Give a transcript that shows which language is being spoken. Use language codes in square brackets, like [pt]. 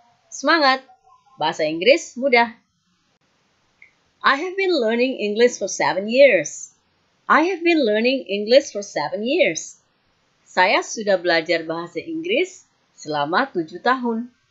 [id] Semangat, bahasa Inggris mudah. [en] I have been learning English for seven years. [id] Saya sudah belajar bahasa Inggris selama 7 tahun.